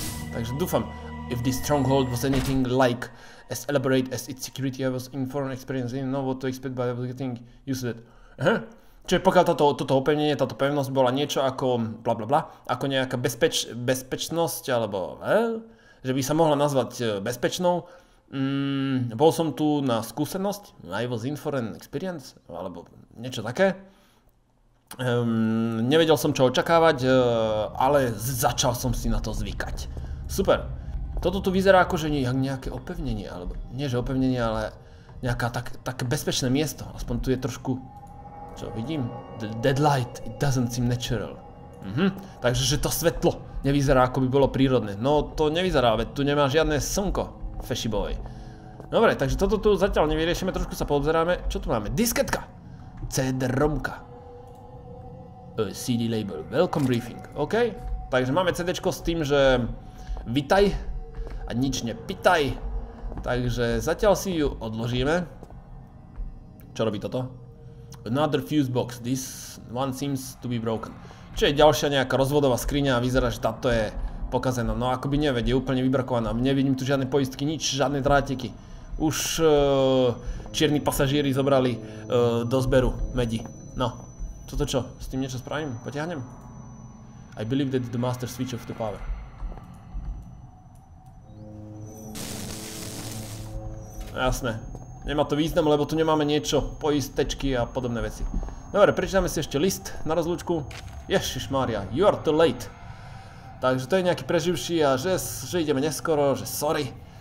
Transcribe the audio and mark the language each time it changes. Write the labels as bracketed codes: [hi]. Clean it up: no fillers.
[sk] Takže dúfam, [en] if this stronghold was anything like as elaborate as its security, I was informed experience, I didn't know what to expect, but I was getting used to it. [sk] Čiže pokiaľ toto opevnenie, táto pevnosť bola niečo ako blablabla, ako nejaká bezpečnosť, alebo... Že by sa mohla nazvať bezpečnou. Bol som tu na skúsenosť. I was in for an experience. Alebo niečo také. Nevedel som čo očakávať. Ale začal som si na to zvykať. Super. Toto tu vyzerá ako že nejaké opevnenie. Alebo nie že opevnenie, ale nejaká také bezpečné miesto. Aspoň tu je trošku... Čo vidím? Deadlight. [en] It doesn't seem natural. [sk] Takže že to svetlo. Nevyzerá, ako by bolo prírodné. No, to nevyzerá, veď tu nemá žiadne slnko, fashy boy. Dobre, takže toto tu zatiaľ nevyriešime, trošku sa poobzeráme. Čo tu máme? Disketka! CD-romka. [en] CD label, welcome briefing. [sk] OK, takže máme CD-čko s tým, že... Vitaj a nič nepýtaj. Takže zatiaľ si ju odložíme. Čo robí toto? [en] Another fuse box, this one seems to be broken. [sk] Čo je ďalšia nejaká rozvodová skriňa a vyzerá, že táto je pokazená. No akoby neved, je úplne vybrakovaná. Nevidím tu žiadne poistky, nič, žiadne drátiky. Už čierni pasažíri zobrali do zberu medi. No, toto čo? S tým niečo spravím? Potiahnem? [en] I believe that the master switch of the power. [sk] Jasné. Nemá to význam, lebo tu nemáme niečo. Poistečky a podobné veci. Dobre, prečítame si ešte list na rozlúčku. [en] Ježišmária, you are too late. [sk] Takže to je nejaký preživší a že ideme neskoro, že sorry.